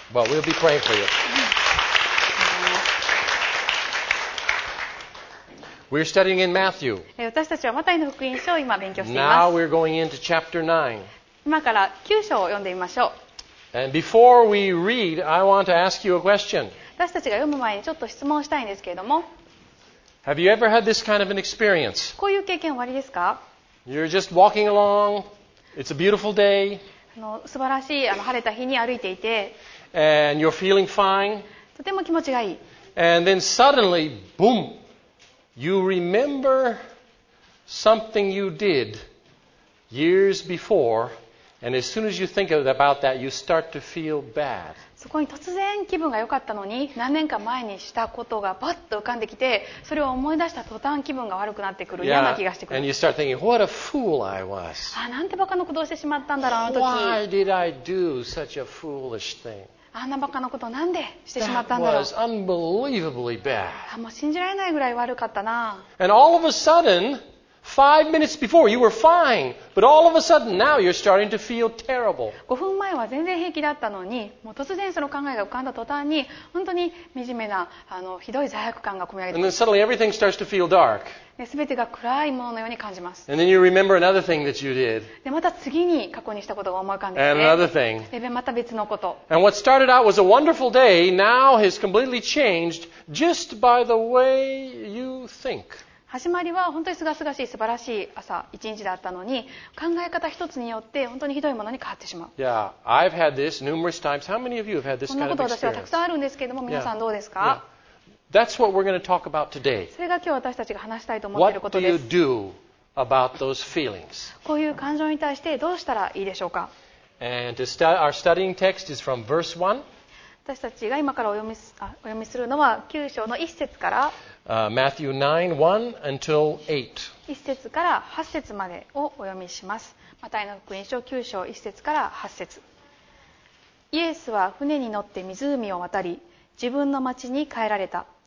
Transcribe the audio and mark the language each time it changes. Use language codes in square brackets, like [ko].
[en] Well, we'll be praying for you. We're studying in Matthew. [ja] 私たちはマタイの福音書を今勉強しています。 [en] Now we're going into chapter 9. [ja] 今から9章を読んでみましょう。 [en] And before we read, I want to ask you a question. [ja] 私たちが読む前にちょっと質問したいんですけれども。 [en] Have you ever had this kind of an experience? [ja] こういう経験はありですか? [en] You're just walking along. It's a beautiful day. [ja] 素晴らしい晴れた日に歩いていて、 [en] And you're feeling fine. [ja] とても気持ちがいい。 [en] And then suddenly, boom, you remember something you did years before, and as soon as you think about that, you start to feel bad. [ja] そこに突然気分が良かったのに、何年か前にしたことがパッと浮かんできて、それを思い出した途端気分が悪くなってくる、嫌な気がしてくる。 [en] And you start thinking, what a fool I was. [ja] あ、なんてバカなことをしてしまったんだろう、あの時。 [en] Why did I do such a foolish thing? [ja] あんなバカなことをなんでしてしまったんだろう。 [en] That was unbelievably bad. [ja] あ、もう信じられないぐらい悪かったな。 [en] And all of a sudden, 5 minutes before you were fine, but all of a sudden now you're starting to feel terrible. [ja] 5分前は全然平気だったのに、もう突然その考えが浮かんだ途端に本当に惨めな、あの、ひどい罪悪感が込み上げて、 [en] And then suddenly everything starts to feel dark. [ja] で、全てが暗いもののように感じます。 [en] And then you remember another thing that you did. [ja] で、また次に過去にしたことが思い浮かんで、ね、 [en] And another thing. [ja] で、また別のこと。 [en] And what started out was a wonderful day now has completely changed just by the way you think. [ja] 始まりは本当にすがすがしい素晴らしい朝一日だったのに、考え方一つによって本当にひどいものに変わってしまう。 [en] Yeah, I've had this numerous times. How many of you have had this kind of experience? [ja] こんなこと私はたくさんあるんですけれども、皆さんどうですか？ [en] That's what we're going to talk about today. [ja] それが今日私たちが話したいと思っていることです。 [en] What do you do about those feelings? [ja] こういう感情に対してどうしたらいいでしょうか？ [en] And to start, our studying text is from verse 1. [ja] 私たちが今からお読みするのは9章の1節から、 [en] Matthew 9:1 until 8。 [ja] 1節から8節までをお読みします。マタイの福音書9章1節から8節。イエスは船に乗って湖を渡り、自分の町に帰られた。